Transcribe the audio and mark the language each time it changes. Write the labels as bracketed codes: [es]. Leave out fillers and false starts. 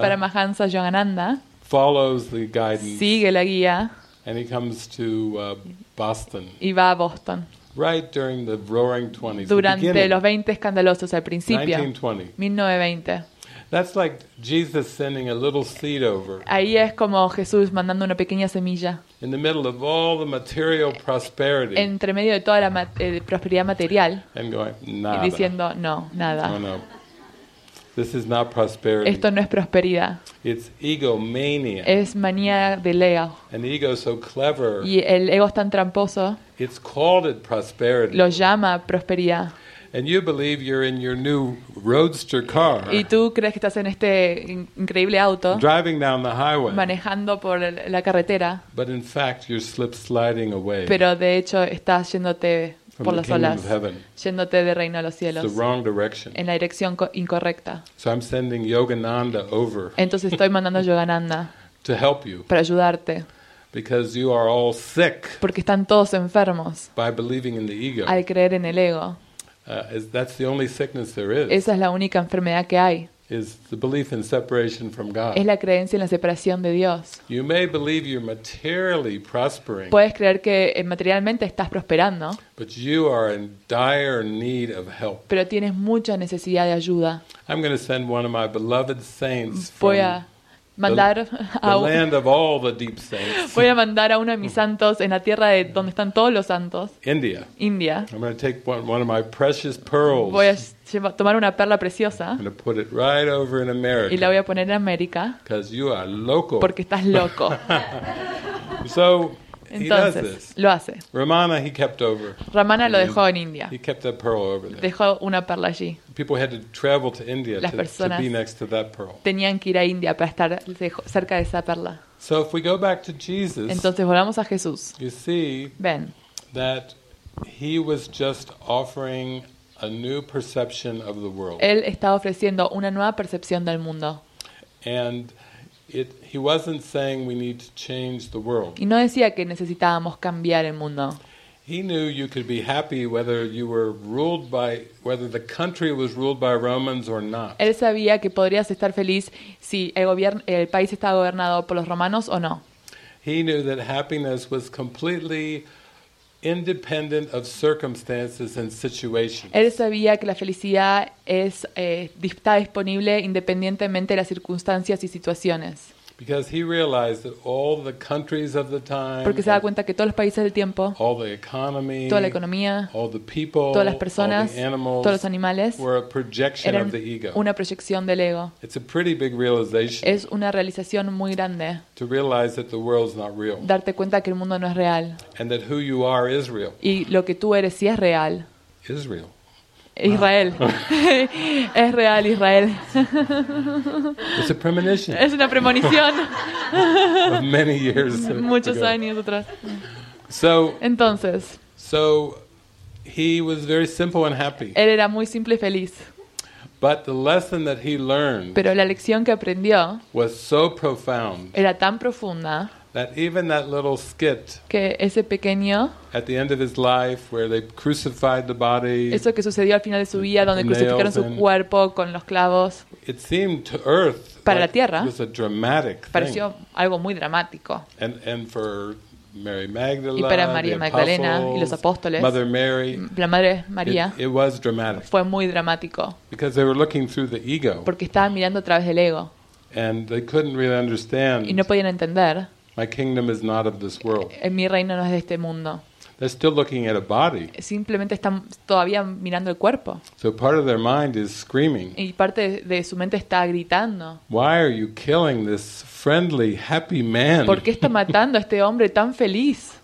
[en] Paramahansa Yogananda follows the guidance. [es] Sigue la guía. [en] And he comes to Boston. [es] Y va a Boston. [en] Right during the Roaring Twenties. [es] Durante los 20 escandalosos al principio. [en] 1920. [es] 1920. [en] That's like Jesus sending a little seed over. [es] Ahí es como Jesús mandando una pequeña semilla. [en] In the middle of all the material prosperity. [es] Entre medio de toda la prosperidad material. [en] And going, [es] nada. Y diciendo, no, nada. [en] No, no. This is not prosperity. [es] Esto no es prosperidad. [en] It's egomania. [es] Es manía del ego. [en] And the ego is so clever. [es] Y el ego es tan tramposo. [en] It's called it prosperity. [es] Lo llama prosperidad. [en] And you believe you're in your new roadster car. [es] Y tú crees que estás en este increíble auto. [en] Driving down the highway. [es] Manejando por la carretera. [en] But in fact, you're slip sliding away. [es] Pero de hecho estás yéndote por las olas. Yéndote del reino de los cielos. [en] The wrong direction. [es] En la dirección incorrecta. [en] So I'm sending Yogananda over. [es] Entonces estoy mandando Yogananda. [en] To help you. [es] Para ayudarte. [en] Because you are all sick. [es] Porque están todos enfermos. [en] By believing in the ego. [es] Al creer en el ego. [en] That's the only sickness there is. [es] Esa es la única enfermedad que hay. [en] Is the belief in separation from God. [es] Es la creencia en la separación de Dios. [en] You may believe you're materially prospering. [es] Puedes creer que materialmente estás prosperando. [en] But you are in dire need of help. [es] Pero tienes mucha necesidad de ayuda. [en] I'm going to send one of my beloved saints [es] voy [en] from [es] a mandar [en] the land of all the deep saints. [es] Voy a mandar a uno de mis santos en la tierra de donde están todos los santos. [en] India. [es] India. [en] I'm going to take one of my precious pearls. [es] Voy a tomar una perla preciosa. [en] I'm going to put it right over in America. [es] Y la voy a poner en América. [en] Because you are loco. [es] Porque estás loco. [en] So [es] entonces, [en] he does this. [es] Lo hace. [en] Ramana, he kept over. [es] Ramana lo dejó en India. [en] He kept that pearl over there. [es] Dejó una perla allí. [en] People had to travel to India [es] las personas [en] to be next to that pearl. [es] Tenían que ir a India para estar cerca de esa perla. [en] So if we go back to Jesus, [es] entonces volvamos a Jesús. [en] You see, [es] ven, [en] that he was just offering a new perception of the world. [es] Él estaba ofreciendo una nueva percepción del mundo. [en] And he wasn't saying we need to change the world. [es] Y no decía que necesitábamos cambiar el mundo. [en] He knew you could be happy whether you were ruled by whether the country was ruled by Romans or not. [es] Él sabía que podrías estar feliz si el país estaba gobernado por los romanos o no. [en] He knew that happiness was completely independent of circumstances and situations. [es] Él sabía que la felicidad es está disponible independientemente de las circunstancias y situaciones. [en] Because he realized that all the countries of the time, [es] porque se da cuenta que todos los países del tiempo, [en] all the economy, [es] toda la economía, [en] all the people, [es] todas las personas, [en] all the animals, [es] todos los animales, [en] were a projection [es] eran [en] of the ego. [es] Una proyección del ego. [en] It's a pretty big realization. [es] Es una realización muy grande. [en] To realize that the world's not real. [es] Darte cuenta que el mundo no es real. [en] And that who you are is real. [es] Y lo que tú eres sí es real. [en] Is real. [es] Israel. Es real, Israel. [en] It's a premonition. [es] Es una premonición. [en] Many years [es] muchos [en] ago. [es] Años atrás. [en] So, [es] entonces. [en] So he was very simple and happy. [es] Él era muy simple y feliz. [en] But the lesson that he learned, [es] pero la lección que aprendió, [en] was so profound. [es] Era tan profunda. [en] That even that little skit, [es] que ese pequeño, [en] at the end of his life where they crucified the body, [es] eso que sucedió al final de su vida donde crucificaron su cuerpo con los clavos, [en] it seemed to earth [es] para la tierra, [en] it was a dramatic thing. [es] Pareció algo muy dramático. [en] And for Mary Magdalene, [es] y para María Magdalena y los apóstoles, [en] Mother Mary, [es] la madre María, [en] it was dramatic. [es] Fue muy dramático. [en] Because they were looking through the ego. [es] Porque estaban mirando a través del ego. [en] And they couldn't really understand. [es] Y no podían entender. [en] My kingdom is not of this world. [es] Mi reino no es de este mundo. [en] They're still looking at a body. [es] Simplemente están todavía mirando el cuerpo. [en] So part of their mind is screaming. [es] Y parte de su mente está gritando. [en] Why are you killing this friendly, happy man? [es] ¿Por qué está matando a este hombre tan feliz?